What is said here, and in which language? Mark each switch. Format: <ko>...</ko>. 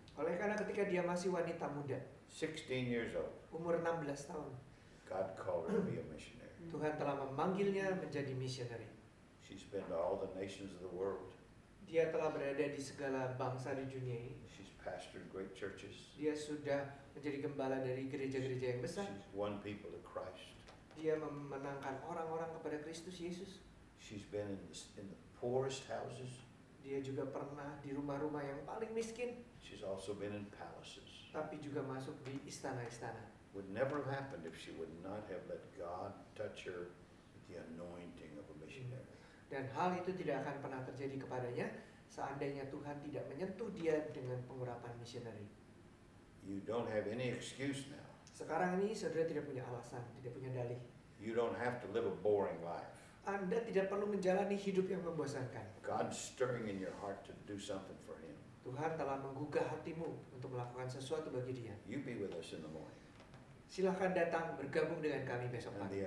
<id>Oleh karena ketika dia masih wanita muda,</id> <en>16 years old,</en> <id>umur 16 tahun,</id> <en>God called her to be a missionary.</en> <id>Tuhan telah memanggilnya menjadi missionary.</id> <en>She's been to all the nations of the world.</en> <id>Dia telah berada di segala bangsa di dunia ini.</id> <en>She's pastored great churches.</en> <id>Dia sudah menjadi gembala dari gereja-gereja yang besar.</id> <en>She's won people to Christ.</en> <id>Dia memenangkan orang-orang kepada Kristus Yesus.</id> <en>She's been in the poorest houses.</en> <id>Dia juga pernah di rumah-rumah yang paling miskin.</id> <en>She's also been in palaces.</en> <id>Tapi juga masuk di istana-istana.</id> <en>Would never have happened if she would not have let God touch her with the anointing of a missionary.</en> <id>Dan hal itu tidak akan pernah terjadi kepadanya seandainya Tuhan tidak menyentuh dia dengan pengurapan missionary.</id> <en>You don't have any excuse now.</en> <id>Sekarang ini saudara tidak punya alasan, tidak punya dalih.</id> <en>You don't have to live a boring life.</en> <id>Anda tidak perlu menjalani hidup yang membosankan.</id> <en>God's stirring in your heart to do something for him.</en> <id>Tuhan telah menggugah hatimu untuk melakukan sesuatu bagi dia.</id> <en>You be with us in the morning.</en> <id>Silakan datang bergabung dengan kami besok pagi.</id>